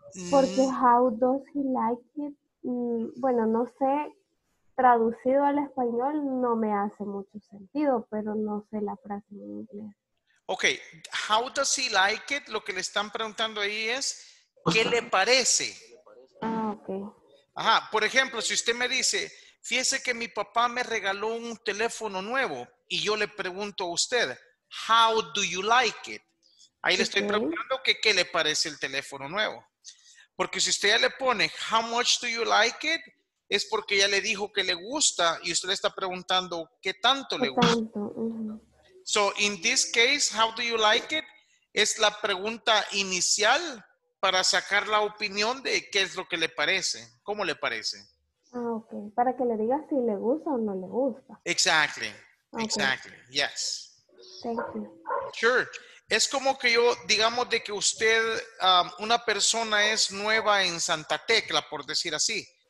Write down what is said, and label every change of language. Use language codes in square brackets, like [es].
[es] Porque [en] how does he like it, [es] bueno, no sé. Traducido al español no me hace mucho sentido, pero no sé la frase en inglés. [en] Okay, how does he like it? [es] Lo que le están preguntando ahí es, ¿qué le parece? Ah, okay. Ajá, por ejemplo, si usted me dice, fíjese que mi papá me regaló un teléfono nuevo, y yo le pregunto a usted, [en] how do you like it? [es] Ahí le estoy preguntando que qué le parece el teléfono nuevo. Porque si usted ya le pone, [en] how much do you like it? [es] Es porque ya le dijo que le gusta y usted le está preguntando qué tanto le gusta. [en] So, in this case, how do you like it? [es] Es la pregunta inicial para sacar la opinión de qué es lo que le parece. ¿Cómo le parece? Ah, ok. Para que le diga si le gusta o no le gusta. [en] Exactly. Okay. Exactly. Yes. Thank you. Sure. [es] Es como que yo, digamos de que usted, una persona es nueva en Santa Tecla, por decir así.